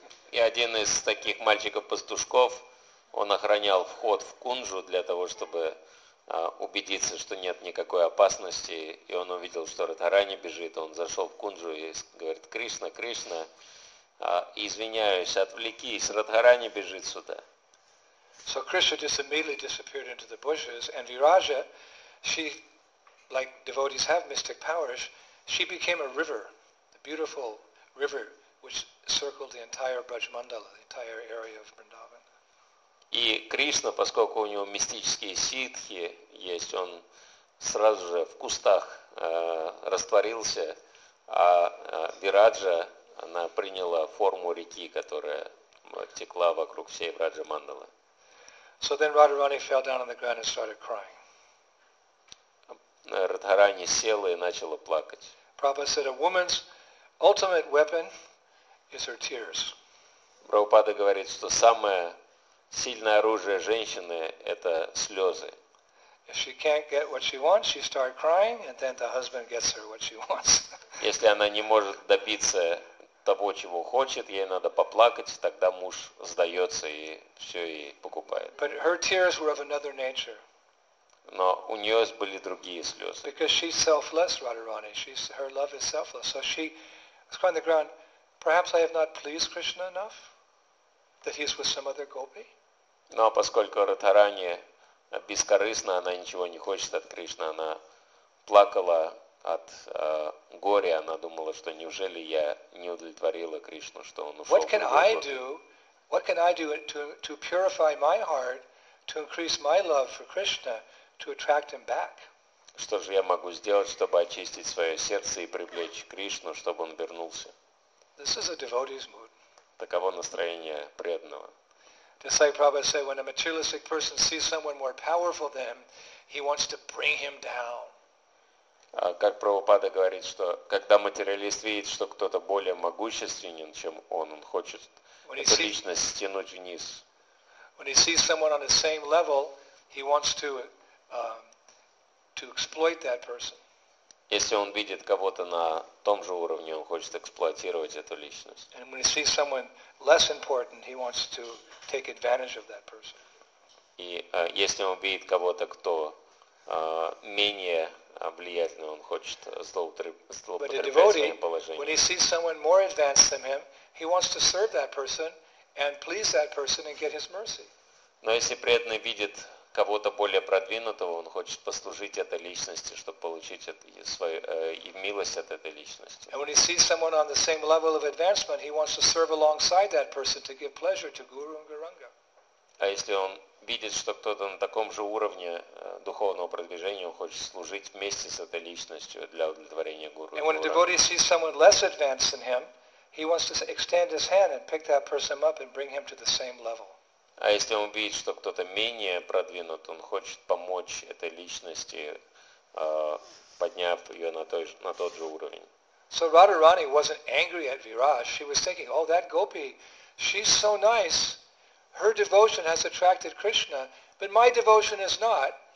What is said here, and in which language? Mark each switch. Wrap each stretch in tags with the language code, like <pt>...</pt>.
<ru>И один из таких мальчиков-пастушков, он охранял вход в кунжу для того, чтобы убедиться, что нет никакой опасности, и он увидел, что Радхарани бежит, он зашел в кунджу и говорит, Кришна, извиняюсь, отвлекись, Радхарани бежит сюда.</ru> <en>So Krishna just immediately disappeared into the bushes, and Viraja, she, like devotees have mystic powers, she became a river, a beautiful river, which circled the entire Brajmandala, the entire area of Vrindavan.</en> <ru>И Кришна, поскольку у него мистические ситхи есть, он сразу же в кустах растворился, а Вираджа, она приняла форму реки, которая текла вокруг всей Враджа-мандалы.</ru> <en>So then Radharani fell down on the ground and started crying.</en> <ru>Радхарани села и начала плакать.</ru> <en>Prabhupada said, a woman's ultimate weapon is her tears.</en> <ru>Прабхупада говорит, что самое сильное оружие женщины – это слезы. Если она не может добиться того, чего хочет, ей надо поплакать, тогда муж сдается и все ей покупает.</ru> <en>But her tears were of another nature.</en> <ru>Но у нее были другие слезы.</ru> <en>Because she's selfless, Radharani. Her love is selfless. So she was crying on the ground, perhaps I have not pleased Krishna enough that he's with some other gopi?</en> <ru>Но поскольку Радхарани бескорыстна, она ничего не хочет от Кришны, она плакала от горя, она думала, что неужели я не удовлетворила Кришну, что он ушел.</ru> <en>What can I do to purify my heart, to increase my love for Krishna, to attract him back?</en> <ru>Что же я могу сделать, чтобы очистить свое сердце и привлечь Кришну, чтобы он вернулся?</ru> <en>This is a devotee's mood.</en> <ru>Таково настроение преданного.</ru> <en>Just like Prabhupada said, when a materialistic person sees someone more powerful than him, he wants to bring him down.</en> <ru>Как Прабхупада говорит, что когда материалист видит, что кто-то более могущественен, чем он хочет эту личность стянуть вниз.</ru> <en>When he sees someone on the same level, he wants to exploit that person.</en> <ru>Если он видит кого-то на том же уровне, он хочет эксплуатировать эту личность.</ru> <en>And when he sees someone less important, he wants to take advantage of that person.</en> <ru>И если он видит кого-то, кто менее влиятельным он хочет злоупотреблять своим положением. Но если преданный видит кого-то более продвинутого, он хочет послужить этой личности, чтобы получить свою милость от этой личности.</ru> <en>And when he sees someone on the same level of advancement, he wants to serve alongside that person to give pleasure to Guru and Gauranga.</en> <ru>А если он видит, что кто-то на таком же уровне духовного продвижения, он хочет служить вместе с этой личностью для удовлетворения Гуру.</ru> <en>And when a devotee sees someone less advanced than him, he wants to extend his hand and pick that person up and bring him to the same level.</en> <ru>А если он видит, что кто-то менее продвинут, он хочет помочь этой личности, подняв ее на тот же уровень.</ru> <en>So Radharani wasn't angry at Viraj. She was thinking, oh, that gopi, she's so nice. Her devotion has attracted Krishna, but my devotion is not.</en>